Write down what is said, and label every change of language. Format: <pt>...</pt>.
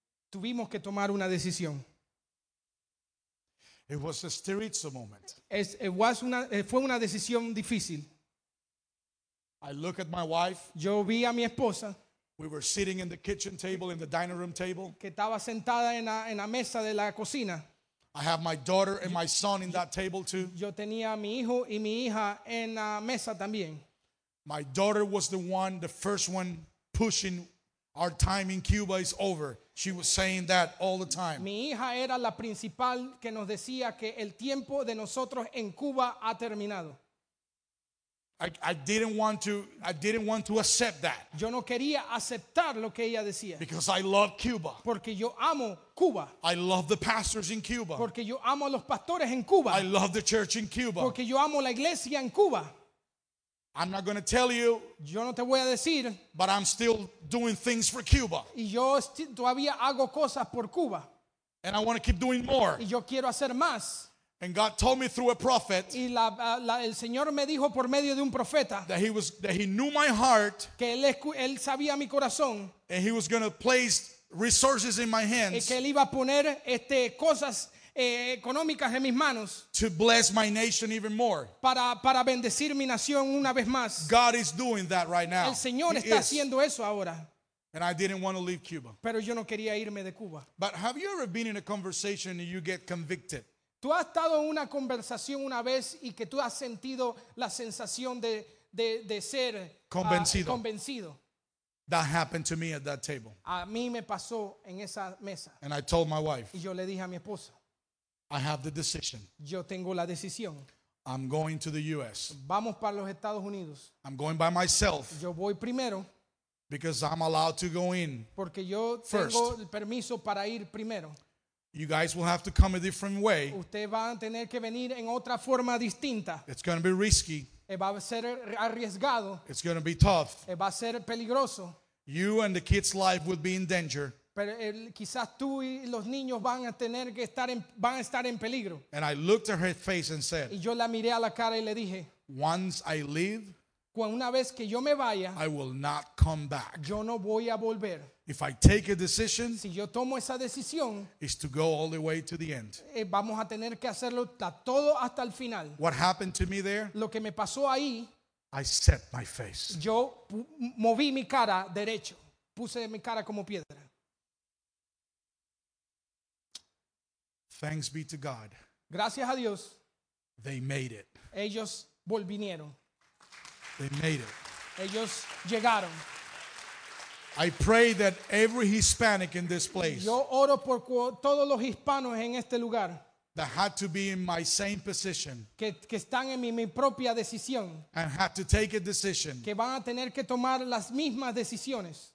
<es>Tuvimos que tomar una decisión.</es> <en>It was a stirritzo moment.</en> <es>Fue una decisión difícil.</es> <en>I look at my wife.</en> <es>Yo vi a mi esposa.</es> <en>We were sitting in the kitchen table, in the dining room table.</en> <es>Que estaba sentada en la mesa de la cocina.</es> <en>I have my daughter and my son in that table too.</en> <es>Yo tenía a mi hijo y mi hija en la mesa también.</es> <en>My daughter was the one, the first one pushing. Our time in Cuba is over. She was saying that all the time.</en> <es>Mi hija era la principal que nos decía que el tiempo de nosotros en Cuba ha terminado.</es> <en>I didn't want to accept that.</en> <es>Yo no quería aceptar lo que ella decía.</es> <en>Because I love Cuba.</en> <es>Porque yo amo Cuba.</es> <en>I love the pastors in Cuba.</en> <es>Porque yo amo a los pastores en Cuba.</es> <en>I love the church in Cuba.</en> <es>Porque yo amo la iglesia en Cuba.</es> <en>I'm not going to tell you.</en> <es>Yo no te voy a decir.</es> <en>But I'm still doing things for Cuba.</en> <es>Y yo todavía hago cosas por Cuba.</es> <en>And I want to keep doing more.</en> <es>Y yo quiero hacer más.</es> <en>And God told me through a prophet.</en> <es>Y el Señor me dijo por medio de un profeta.</es> <en>That he knew my heart.</en> <es>Que él sabía mi corazón.</es> <en>And he was going to place resources in my hands.</en> <es>Y que él iba a poner cosas económicas en mis manos.</es> <en>To bless my nation even more.</en> <es>Para bendecir mi nación una vez más.</es> <en>God is doing that right now.</en> <es>El Señor está haciendo eso ahora.</es> <en>And I didn't want to leave Cuba.</en> <es>Pero yo no quería irme de Cuba.</es> <en>But have you ever been in a conversation and you get convicted?</en> <es>¿Tú has estado en una conversación una vez y que tú has sentido la sensación de ser</es> <en>convencido? That happened to me at that table.</en> <es>A mí me pasó en esa mesa.</es> <en>And I told my wife.</en> <es>Y yo le dije a mi esposa.</es> <en>I have the decision.</en> <es>Yo tengo la decisión.</es> <en>I'm going to the U.S.</en> <es>Vamos para los Estados Unidos.</es> <en>I'm going by myself.</en> <es>Yo voy primero.</es> <en>Because I'm allowed to go in.</en> <es>Porque yo first. Tengo el permiso para ir primero.</es> <en>You guys will have to come a different way.</en> <es>Usted va a tener que venir en otra forma distinta.</es> <en>It's going to be risky.</en> <es>Va a ser arriesgado.</es> <en>It's going to be tough.</en> <es>Va a ser peligroso.</es> <en>You and the kids' life will be in danger.</en> <es>Pero quizás tú y los niños van a tener que estar van a estar en peligro.</es> <en>And I looked at her face and said.</en> <es>Y yo la miré a la cara y le dije.</es> <en>Once I leave.</en> <es>Una vez que yo me vaya.</es> <en>I will not come back.</en> <es>Yo no voy a volver.</es> <en>If I take a decision.</en> <es>Si yo tomo esa decisión.</es> <en>Is to go all the way to the end.</en> <es>Vamos a tener que hacerlo todo hasta el final.</es> <en>What happened to me there?</en> <es>Lo que me pasó ahí.</es> <en>I set my face.</en> <es>Yo moví mi cara derecho. Puse mi cara como piedra.</es> <en>Thanks be to God.</en> <es>Gracias a Dios.</es> <en>They made it.</en> <es>Ellos volvinieron.</es> <en>They made it.</en> <es>Ellos llegaron.</es> <en>I pray that every Hispanic in this place.</en> <es>Yo oro por todos los hispanos en este lugar.</es> <en>That had to be in my same position.</en> <es>Que están en mi propia decisión.</es> <en>And had to take a decision.</en> <es>Que van a tener que tomar las mismas decisiones.</es>